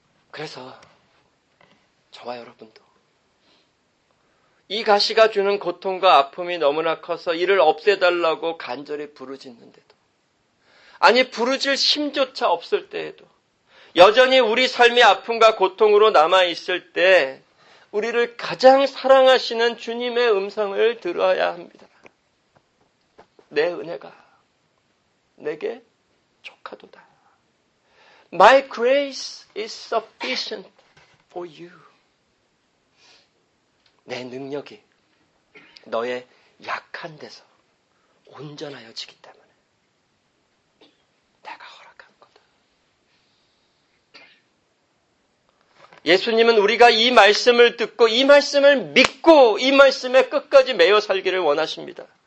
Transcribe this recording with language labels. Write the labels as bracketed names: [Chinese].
[Korean] 그래서 저와 여러분도 이 가시가 주는 고통과 아픔이 너무나 커서 이를 없애달라고 간절히 부르짖는데도 아니 부르짖을 힘조차 없을 때에도 여전히 우리 삶의 아픔과 고통으로 남아있을 때 우리를 가장 사랑하시는 주님의 음성을 들어야 합니다. 내 은혜가 내게 족하도다. [English] My grace is sufficient for you. [Korean] 내 능력이 너의 약한 데서 온전하여지기 때문에 내가 허락한 거다. 예수님은 우리가 이 말씀을 듣고 이 말씀을 믿고 이 말씀에 끝까지 매여 살기를 원하십니다.